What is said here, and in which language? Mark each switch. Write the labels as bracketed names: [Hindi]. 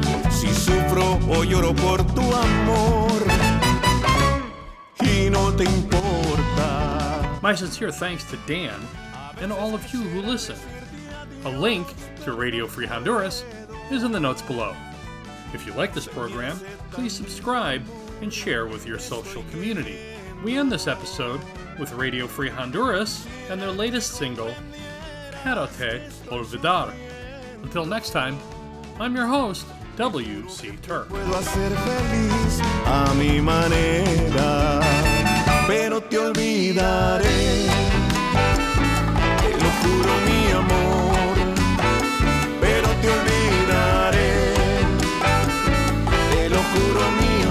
[Spanish] Si sufro o lloro por tu amor, y no te importa. [English] My sincere thanks to Dan and all of you who listen. A link to Radio Free Honduras is in the notes below. If you like this program, please subscribe and share with your social community. We end this episode with Radio Free Honduras and their latest single, Parate Olvidar. Until next time, I'm your host, W.C. Turk. [Spanish] Puedo hacer feliz a mi manera, pero te olvidaré. Te lo juro, mi amor, pero te olvidaré. Te lo juro, mi